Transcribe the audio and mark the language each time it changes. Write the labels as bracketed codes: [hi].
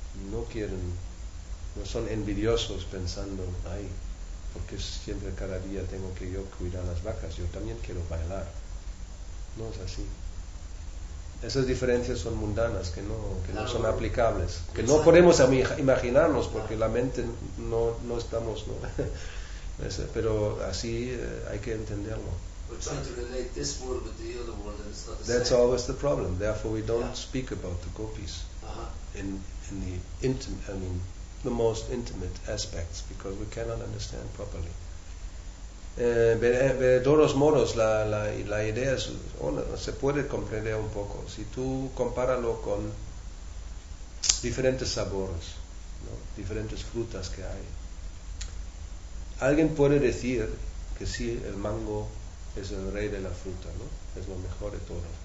[es] No quieren, no son envidiosos pensando, ay, porque siempre cada día tengo que yo cuidar las vacas, yo también quiero bailar. No es así. Esas diferencias son mundanas, que no son aplicables, que no podemos imaginarnos porque la mente no estamos, ¿no? Pero así hay que entenderlo. [en] We're trying to relate this world with the other world, and it's not the That's same. Always the problem. Therefore, we don't speak about the gopis in the intimate, I mean, the most intimate aspects, because we cannot understand properly. [es] De todos modos, la idea es, se puede comprender un poco. Si tú compáralo con diferentes sabores, ¿no? Diferentes frutas que hay, alguien puede decir que sí, el mango es el rey de la fruta, ¿no? Es lo mejor de todo.